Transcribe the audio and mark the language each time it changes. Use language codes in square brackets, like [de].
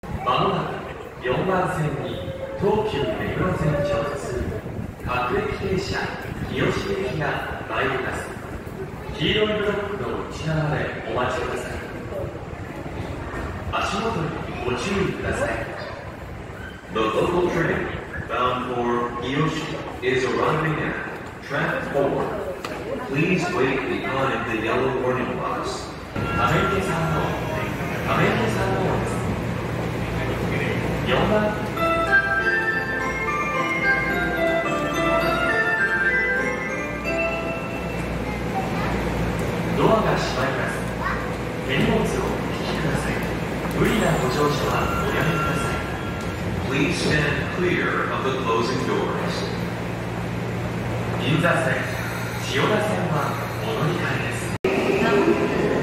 [ja] まもなく4番線に東急目黒線直通各駅停車日吉駅が参ります。黄色いブロックの内側でお待ちください。足元にご注意ください。 [en] The local train bound for 日吉 is arriving at track 4. Please wait behind the yellow warning box. [ja] ため池さんの ドアが閉まります。手荷物をお引きください。無理なご乗車はおやめください。 [en] Please stand clear of the closing doors. [ja] 銀座線、千代田線はお乗り換えです。